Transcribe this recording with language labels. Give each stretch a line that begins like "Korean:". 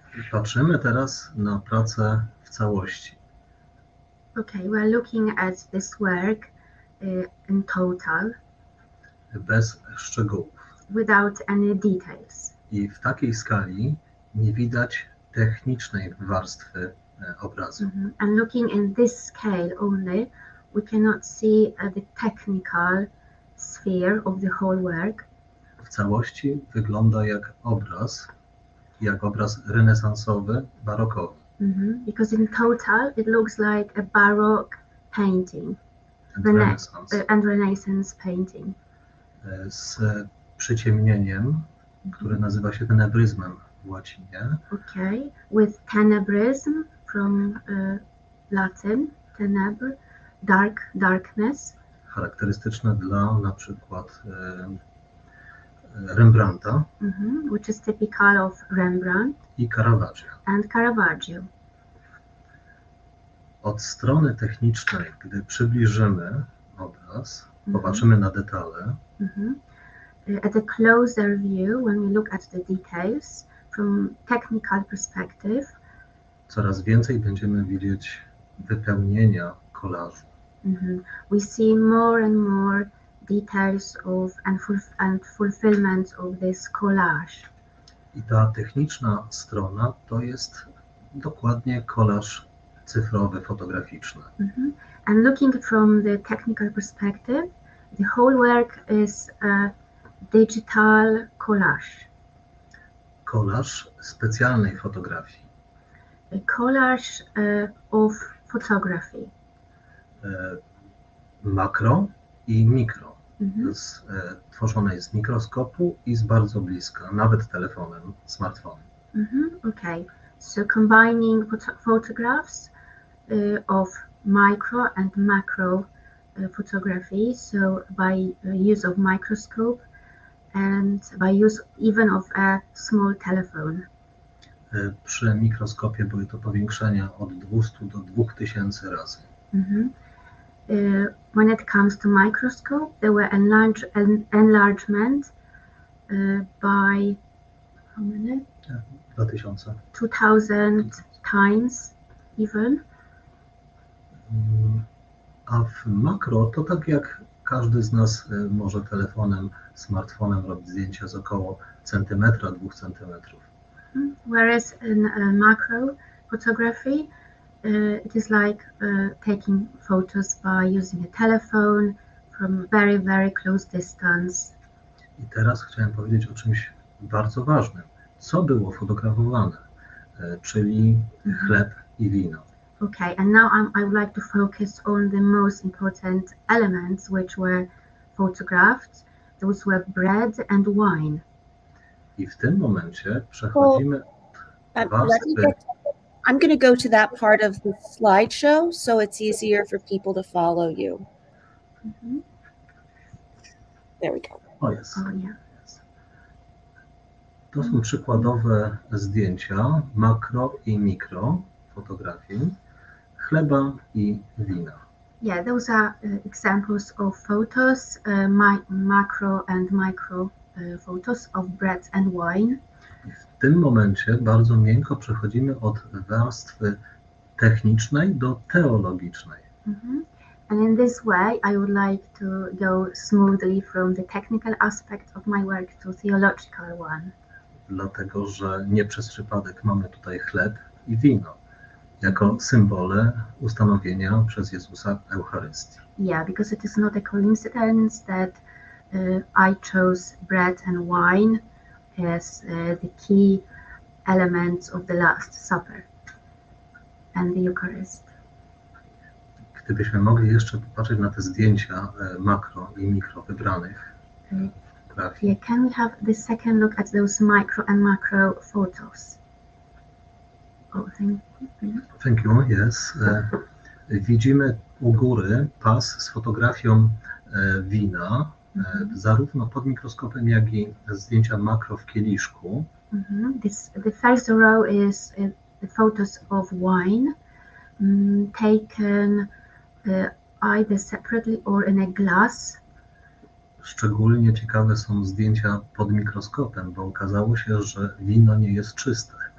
Polish: Patrzymy teraz na pracę w całości.
English: Okay, we're looking at this work in total.
Polish: Bez szczegółów.
English: Without any details.
Polish: I w takiej skali nie widać technicznej warstwy obrazu. Mm-hmm.
English: And looking in this scale only, we cannot see the technical sphere of the whole work.
Polish: W całości wygląda jak obraz. Jak obraz renesansowy, barokowy. Mm-hmm.
English: Because in total it looks like a baroque painting. And Renaissance painting.
Polish: Z przyciemnieniem, które nazywa się tenebryzmem w łacinie.
English: Okay, with tenebryzm from Latin, tenebre, darkness.
Polish: Charakterystyczne dla na przykład Rembrandta,
English: mm-hmm, which is typical of Rembrandt,
Polish: i Caravaggio.
English: And Caravaggio.
Polish: Od strony technicznej, gdy przybliżymy obraz, popatrzymy na detale. Mm-hmm.
English: At a closer view, when we look at the details from technical perspective,
Polish: coraz więcej będziemy widzieć wypełnienia kolażu. Mm-hmm.
English: We see more and more details of and fulfillment of this collage.
Polish: I ta techniczna strona to jest dokładnie kolaż cyfrowy, fotograficzny. Mm-hmm.
English: And looking from the technical perspective, the whole work is a digital collage.
Polish: Kolaż specjalnej fotografii.
English: A collage of photography.
Polish: Makro i mikro. Tworzone jest z mikroskopu i z bardzo bliska, nawet telefonem, smartfonem.
English: Mm-hmm. Okay, so combining photographs of micro and macro photography, so by use of microscope and by use even of a small telephone.
Polish: Przy mikroskopie były to powiększenia od 200 do 2000 razy.
English: When it comes to microscope, there were enlargement by how many? 2000 times even.
Polish: A w makro to tak jak każdy z nas może telefonem, smartfonem robić zdjęcia z około centymetra, dwóch centymetrów.
English: Whereas in macro photography, it is like taking photos by using a telephone from very, very close distance.
Polish: I teraz chciałem powiedzieć o czymś bardzo ważnym. Co było fotografowane? Czyli chleb i wino.
English: Okay, and now I would like to focus on the most important elements which were photographed. Those were bread and wine.
Polish: I w tym momencie przechodzimy warstwy.
English: I'm going to go to that part of the slideshow so it's easier for people to follow you. Mm-hmm. There we go. O, yes.
Polish: To są przykładowe zdjęcia, makro i mikro fotografii, chleba i wina.
English: Yeah, those are examples of photos, macro and micro photos of bread and wine.
Polish: W tym momencie bardzo miękko przechodzimy od warstwy technicznej do teologicznej.
English: And in this way, I would like to go smoothly from the technical aspect of my work to theological one.
Polish: Dlatego, że nie przez przypadek mamy tutaj chleb i wino jako symbole ustanowienia przez Jezusa Eucharystii.
English: Yeah, because it is not a coincidence that I chose bread and wine as the key elements of the Last Supper and the Eucharist.
Polish: Gdybyśmy mogli jeszcze popatrzeć na te zdjęcia makro i mikro wybranych.
English: Yeah, can we have the second look at those micro and macro photos? Thank you, yes.
Polish: Widzimy u góry pas z fotografią wina, zarówno pod mikroskopem, jak i zdjęcia makro w kieliszku.
English: The first row is the photos of wine taken either separately or in a glass.
Polish: Szczególnie ciekawe są zdjęcia pod mikroskopem, bo okazało się, że wino nie jest czyste.